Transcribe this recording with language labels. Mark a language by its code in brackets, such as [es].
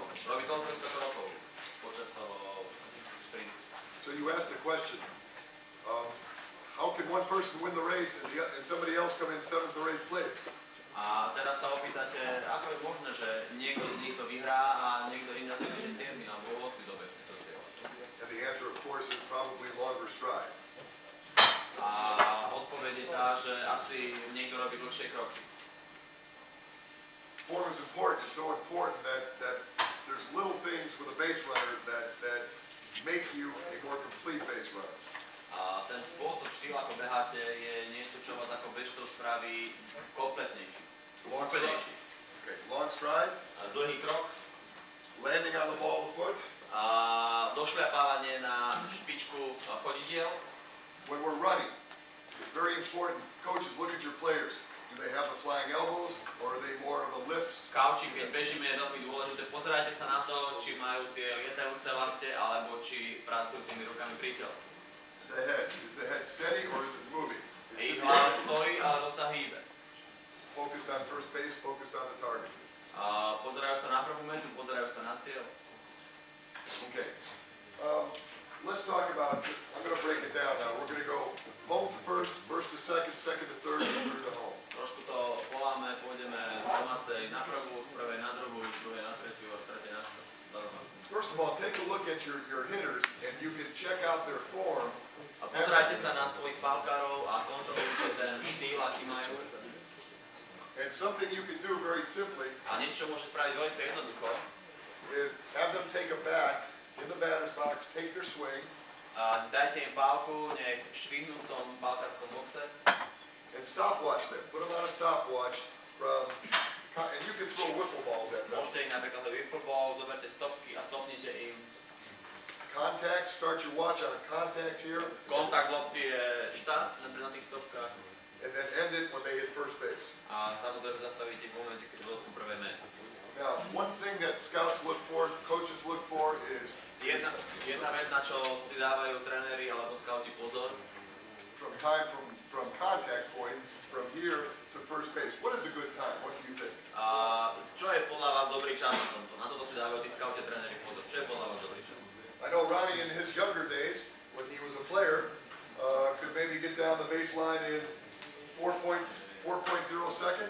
[sk] Robí toľko istých krokov počas toho sprintu. [en] So you ask the question, How can one person win the race and somebody else come in seventh or eighth place? [sk] A teraz sa opýtate, ako je možné, že niekto z nich to vyhrá a niekto iný sa môže 7 alebo 8 dobe to cieľa. [en] And the answer, of course, is probably longer stride. [sk] A odpoveď je tá, že asi niekto robí dlhšie kroky. [en] Form is important. It's so important that there's little things with a base runner that make you a more complete base runner. [sk] A ten spôsob, štýl, ako beháte, je niečo, čo vás ako bežcov spraví kompletnejší. Kompletnejší. [en] Okay. Long stride. [sk] A dlhý krok. [en] Landing on the ball of foot. [sk] A došľapávanie na špičku chodidiel. [en] When we're running, it's very important. Coaches, look at your players. Do they have the flying elbows, or are they more of the lifts? [sk] Kauči, keď bežíme, je veľmi dôležité. Pozerajte sa na to, či majú tie lietajúce lakte, alebo či pracujú tými rukami pri tele. [en] The head. Is the head steady or is it moving? [sk] Ej, hlava stojí, alebo sa hýbe. [en] Focused on first base, focused on the target. [sk] Pozerajú sa na prvú metu, pozerajú sa na cieľ. [en] Okay. Let's talk about, I'm going to break it down now. We're going to go home to first, first to second, second to third, and third to home. [sk] Trošku to voláme, pôjdeme z domácej na prvú, z prvej na druhú, z druhej na tretiu, z tretie na štvrtú. [en] First of all, take a look at your hitters and you can check out their form. [sk] A pozerajte sa na svojich palkárov a kontrolujte ten štýl, aký majú. [en] And something you can do very simply. [sk] A niečo môžete spraviť veľmi jednoducho. [en] Is have them take a bat in the batter's box, take their swing. A dajte im palku, nech švihnú v tom palkárskom boxe. And stopwatch them. Put them on a stopwatch from. And you can throw wiffle balls at them. [sk] Môžete napríklad wiffle balls, zoberte stopky a stopnite im. [en] Contact, start your watch on a contact here. [sk] Kontakt lopty je štart na tých stopkách. [en] And then end it when they hit first base. [sk] A samozrejme zastavíte v momente, keď dotknú prvé miesto. [en] Now, one thing that scouts look for, coaches look for is... [sk] Jedna vec, na čo si dávajú tréneri alebo scouti pozor. [en] From time, from contact point, from here to first base. What is a good time? What do you think? [sk] Čo je podľa vás dobrý čas na tomto? Na toto si dávajú tí scouti tréneri pozor. Čo je podľa vás dobrý čas? [en] I know Ronnie in his younger days, when he was a player, could maybe get down the baseline in 4.0 seconds.